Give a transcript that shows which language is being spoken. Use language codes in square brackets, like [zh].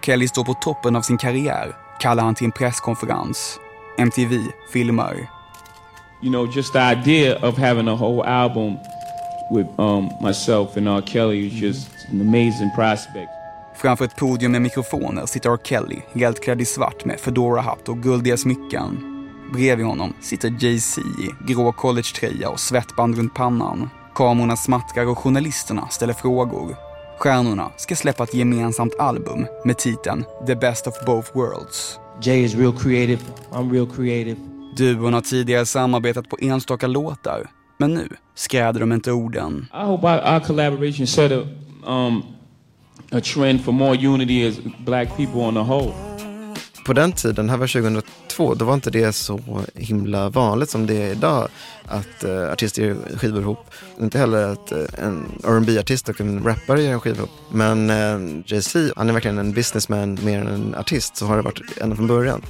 [sv] Kelly står på toppen av sin karriär, kallar han till en presskonferens. MTV filmar. [en] You know, just the idea of having a whole album with myself and R. Kelly is just an amazing prospect. [sv] Framför ett podium med mikrofoner sitter R. Kelly, helt klädd i svart med fedora-hatt och guldiga smycken. Bredvid honom sitter Jay-Z i grå college-tröja och svettband runt pannan. Kamerorna smattrar och journalisterna ställer frågor. Stjärnorna ska släppa ett gemensamt album med titeln The Best of Both Worlds. [en] Jay is real creative, I'm real creative. [sv] Duon har tidigare samarbetat på enstaka låtar, men nu skräder de inte orden. [en] I hope our collaboration set a trend for more unity as black people on the whole. [sv] På den tiden, här var 2002, då var inte det så himla vanligt som det är idag att artister skivar ihop. Inte heller att en R&B-artist och en rappare gör en skiva ihop. Men Jay-Z, han är verkligen en businessman mer än en artist, så har det varit ända från början.